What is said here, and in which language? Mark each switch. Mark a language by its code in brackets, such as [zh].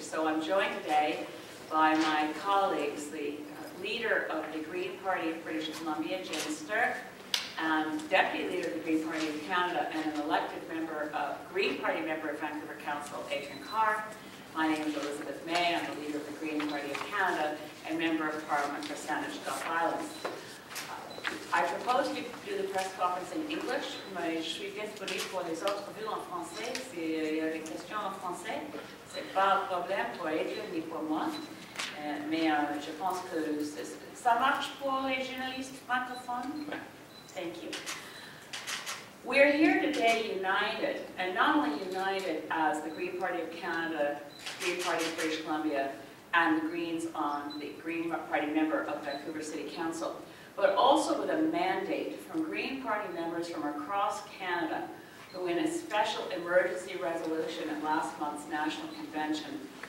[en] So I'm joined today by my colleagues, the leader of the Green Party of British Columbia, Jane Sterk, and deputy leader of the Green Party of Canada, and an elected member of Green Party member of Vancouver Council, Adriane Carr. My name is Elizabeth May, I'm the leader of the Green Party of Canada, and member of Parliament for Saanich Gulf Islands. I propose to do the press conference in English. [fr] Je suis disponible pour les autres villes en français. Si il y a des questions en français, c'est pas un problème pour Adriane ni pour moi. Mais je pense que ça marche pour les journalistes francophones. [en] Thank you. We're here today united, and not only united as the Green Party of Canada, Green Party of British Columbia, and the Greens on the Green Party member of Vancouver City Council, but also with a mandate from Green Party members from across Canada who in a special emergency resolution at last month's National Convention